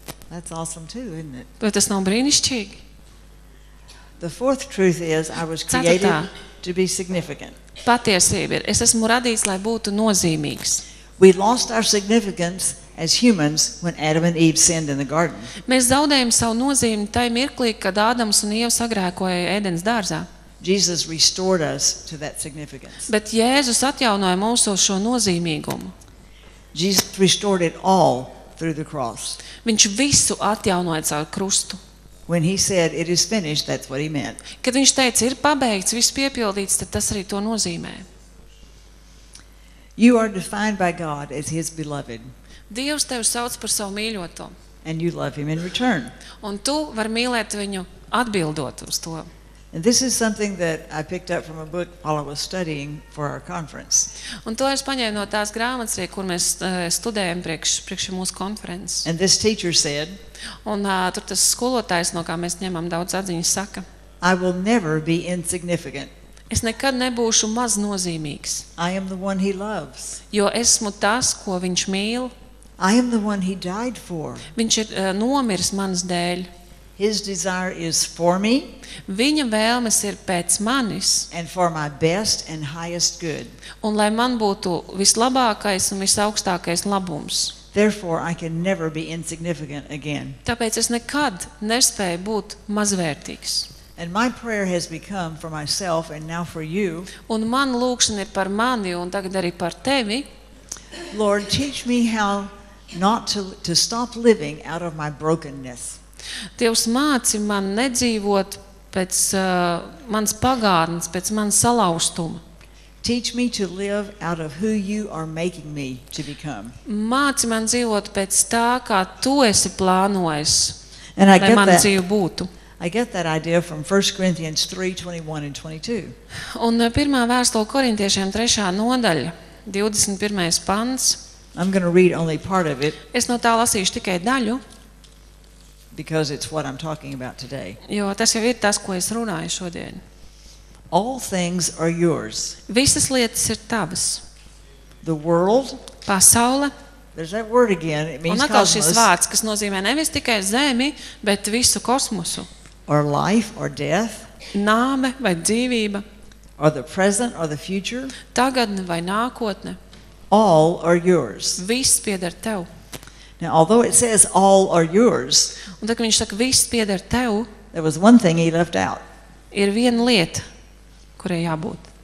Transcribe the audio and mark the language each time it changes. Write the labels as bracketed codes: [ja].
[en] That's awesome too, isn't it? [lv] Bet tas nav brīnišķīgi. [en] The fourth truth is, I was created to be significant. [lv] Patiesība ir, es esmu radīts, lai būtu nozīmīgs. [en] We lost our significance as humans when Adam and Eve sinned in the garden. [lv] Mēs zaudējam savu nozīmi tajā mirklī, kad Ādams un Ieva sagrēkoja Ēdens dārzā. [en] Jesus restored us to that significance. [lv] Bet Jēzus atjaunoja mūsu šo nozīmīgumu. [en] Jesus restored it all through the cross. [lv] Viņš visu atjaunoja caur krustu. [en] When he said it is finished, that's what he meant. [lv] Kad viņš teica ir pabeigts, viss piepildīts, tad tas arī to nozīmē. [en] You are defined by God as his beloved. [lv] Dievs tevi sauc par savu mīļoto. [en] And you love him in return. [lv] Un tu var mīlēt viņu atbildot uz to. [en] And this is something that I picked up from a book while I was studying for our conference. [lv] Un to es paņēmu no tās grāmatas, kur mēs studējam priekš mūsu konferences. [en] And this teacher said, [lv] un tur tas skolotājs, no kā mēs ņemam daudz atziņas, saka, [en] I will never be insignificant. [lv] Es nekad nebūšu maz nozīmīgs. [en] I am the one he loves. [lv] Jo esmu tas, ko viņš mīl. [en] I am the one he died for. [lv] Viņš ir nomiris manas dēļ. [en] His desire is for me. [lv] Viņa vēlmes ir pēc manis. [en] And for my best and highest good. [lv] Un lai man būtu vislabākais un visaugstākais labums. [en] Therefore I can never be insignificant again. [lv] Tāpēc es nekad nespēju būt mazvērtīgs. [en] And my prayer has become for myself and now for you. [lv] Un man lūkšana ir par mani un tagad arī par tevi. [en] Lord, teach me how not to stop living out of my brokenness. [lv] Dievs māci man nedzīvot pēc manas pagātnes, pēc manas salaustuma. [en] Teach me to live out of who you are making me to become. [lv] Māci man dzīvot pēc tā, kā tu esi plānojis, lai mana dzīve būtu. [en] I get that idea from 1 Corinthians 3:21 and 22. [lv] Un pirmā vēstule Korintiešiem 3. Nodaļa, 21. Pants. [en] I'm going to read only part of it. [lv] Es no tā lasīšu tikai daļu. [en] Because it's what I'm talking about today. [lv] Jo tas jau ir tas, ko es runāju šodien. [en] All things are yours. [lv] Visas lietas ir tavas. [en] The world. [lv] Pasaule. [en] There's that word again. It means [lv] cosmos. Un atkal šis vārds, kas nozīmē nevis tikai zemi, bet visu kosmosu. [en] Or life or death. [lv] Nāme vai dzīvība. [en] Or the present or the future. [lv] Tagadne vai nākotne. [en] All are yours. [lv] Viss pieder tev. [en] Now, although it says all are yours, [lv] un tad, kad viņš saka, viss pieder tev, [en] there was one thing he left out. [lv] Ir viena lieta, kurai jābūt.